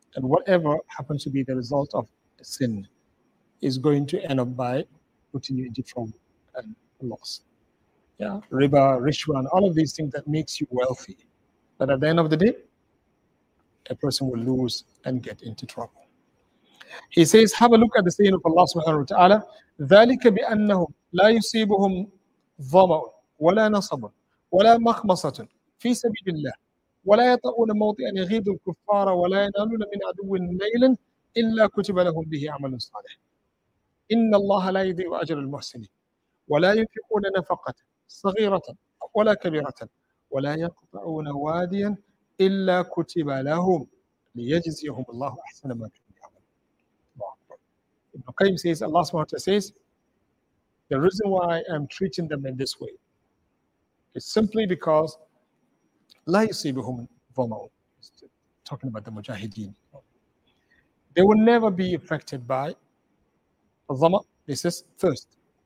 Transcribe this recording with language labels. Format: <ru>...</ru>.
<en>And whatever happens to be the result of sin is going to end up by putting you into trouble and loss. Yeah, riba, rishwa, and all of these things that makes you wealthy. But at the end of the day, a person will lose and get into trouble. He says, have a look at the saying of Allah subhanahu wa ta'ala,</en> <ar>ذَلِكَ بِأَنَّهُمْ لَا يُصِيبُهُمْ ظَمَأٌ وَلَا نَصَبٌ وَلَا مَخْمَصَةٌ فِي سَبِيلِ اللَّهِ وَلَا يَطَعُونَ مَوْطِئًا يَغِيظُ الْكُفَّارَ وَلَا يَنَالُونَ مِنْ عَدُوٍ نَيْلًا إِلَّا كُتِبَ لَهُمْ بِهِ عَمَلٌ صَالِحٌ إِنَّ اللَّهَ لَا يُضِيعُ أَجْرَ الْمُحْسِنِينَ وَلَا يُنْفِقُونَ نَفَقَةً صَغِيرَةً وَلَا كَبِيرَةً وَلَا يَقْطَعُونَ وَادِيًا إِلَّا كُتِبَ لَهُمْ لِيَجْزِيَهُمُ اللَّهُ أَحْسَنَ مَا كَانُوا يَعْمَلُونَ.</ar> <en>Ibn Qayyim says, Allah subhanahu wa ta'ala says, the reason why I am treating them in this way is simply because</en> <ar>لَا يُصِيبُهُمْ ظَمَأٌ,</ar> <en>talking about the mujahideen. They will never be affected by ظَمَأ, this is thirst.</en>